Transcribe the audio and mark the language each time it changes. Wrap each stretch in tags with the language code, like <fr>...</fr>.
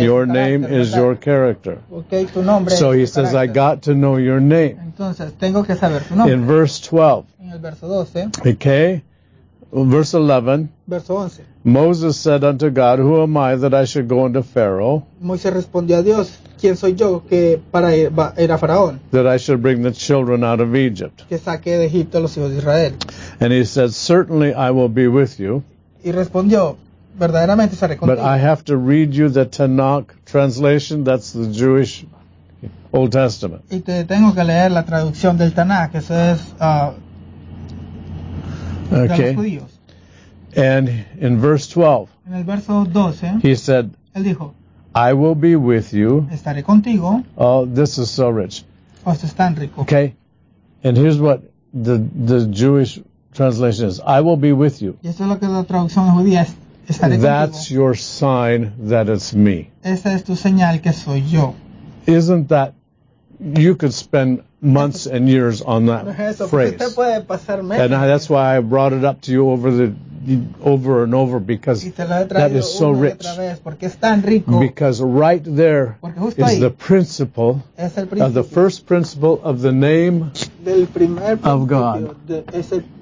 <en>your</en> <es>es</es> <en>name</en> <es>carácter,</es> <en>is</en> <es>¿verdad?</es> <en>Your character.</en> <es>Okay, tu nombre</es> <en>so</en> <es>es</es> <en>he</en> <es>tu</es> <en>says,</en> <es>carácter.</es> <en>I got to know your name.</en> <es>Entonces, tengo que saber tu nombre.</es> <en>In verse 12,</en> <es>en el verso 12,</es> <en>okay, Verse 11.</en> <es>Verso 11.</es> <en>Moses said unto God, Who am I that I should go unto Pharaoh?</en> <es>Moisés respondió a Dios, ¿Quién soy yo que para ir a Faraón?</es> <en>That I should bring the children out of Egypt.</en> <es>Que saque de Egipto a los hijos de Israel.</es> <en>And he said, Certainly I will be with you.</en> <es>Y respondió, verdaderamente estaré contigo.</es> <en>But I have to read you the Tanakh translation, that's the Jewish Old Testament.</en> <es>Y te tengo que leer la traducción del Tanakh, eso es...</es> <en>Okay. And in verse 12,</en> <es>en el verso 12,</es> <en>he said,</en> <es>él dijo,</es> <en>I will be with you.</en> <es>Estaré contigo.</es> <en>Oh, this is so rich.</en> <es>Oh, esto es tan rico.</es> <en>Okay. And here's what the Jewish translation is. I will be with you.</en> <es>Y esto es lo que la traducción judía es, estaré contigo.</es> <en>That's your sign that it's me.</en> <es>Esa es tu señal que soy yo.</es> <en>Isn't that, you could spend months and years on that phrase. And that's why I brought it up to you over and over because that is so rich. Because right there is the principle of the first principle of the name of God.</en>